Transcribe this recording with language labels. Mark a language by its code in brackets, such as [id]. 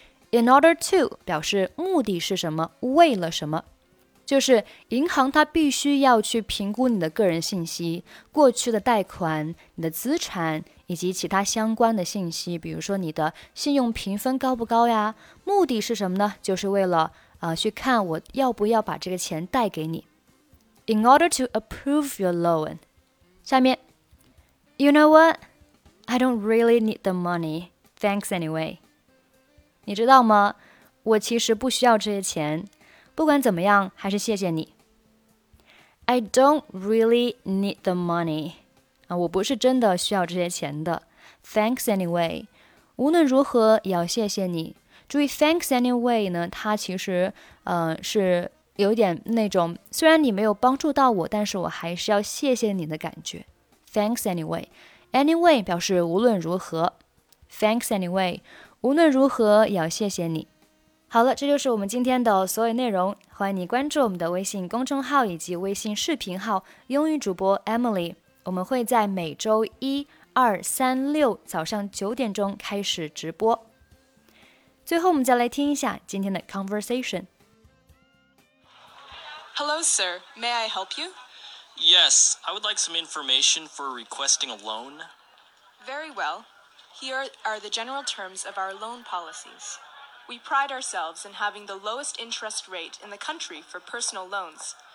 [zh] In order to 表示目的是什么为了什么就是银行它必须要去评估你的个人信息过去的贷款你的资产以及其他相关的信息比如说你的信用评分高不高呀目的是什么呢就是为了、去看我要不要把这个钱贷给你 [en] In order to approve your loan [zh] 下面 [en] You know what? I don't really need the money Thanks anyway [zh] 你知道吗我其实不需要这些钱不管怎么样，还是谢谢你。 [en] I don't really need the money. [zh] 我不是真的需要这些钱的。 [en] Thanks anyway. [zh] 无论如何也要谢谢你。注意 thanks anyway 呢，它其实、是有点那种，虽然你没有帮助到我，但是我还是要谢谢你的感觉。 [en] Thanks anyway. [zh] Anyway 表示无论如何。 [en] Thanks anyway. [zh] 无论如何也要谢谢你。好了，这就是我们今天的所有内容。欢迎你关注我们的微信公众号以及微信视频号“英语主播 Emily”。我们会在每周一、二、三、六早上9点开始直播。最后，我们再来听一下今天的 conversation。 [en] Hello, sir. May I help you? Yes, I would like some information for requesting a loan. Very well. Here are the general terms of our loan policies. We pride ourselves in having the lowest interest rate in the country for personal loans.